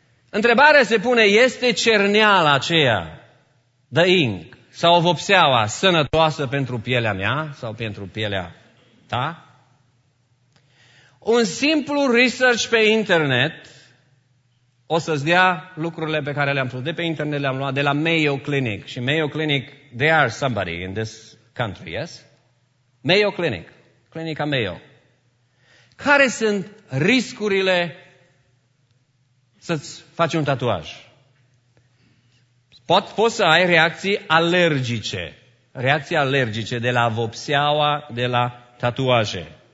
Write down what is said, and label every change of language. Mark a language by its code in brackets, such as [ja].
[ro] Întrebarea se pune, este cerneala aceea, [en] the ink, [ro] sau vopseaua, sănătoasă pentru pielea mea sau pentru pielea ta? Un simplu research pe internet o să-ți dea lucrurile pe care le-am pus. De pe internet le-am luat de la Mayo Clinic. Și [en] Mayo Clinic, they are somebody in this country, yes? [ro] Mayo Clinic. Clinica Mayo. Care sunt riscurile să-ți faci un tatuaj? Poți să ai reacții alergice. Reacții alergice de la vopseaua, de la tatuaje.